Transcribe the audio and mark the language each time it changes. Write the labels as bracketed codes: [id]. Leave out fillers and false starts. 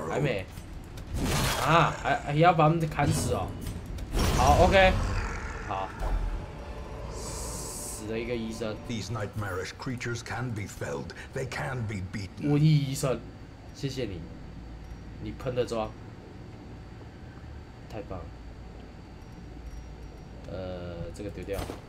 [zh] 还没啊，还要把他们砍死哦，好 OK， 好， [en] These nightmarish creatures can be felled. They can be beaten. [zh] 瘟疫医生，谢谢你，你喷的妆太棒了。这个丢掉。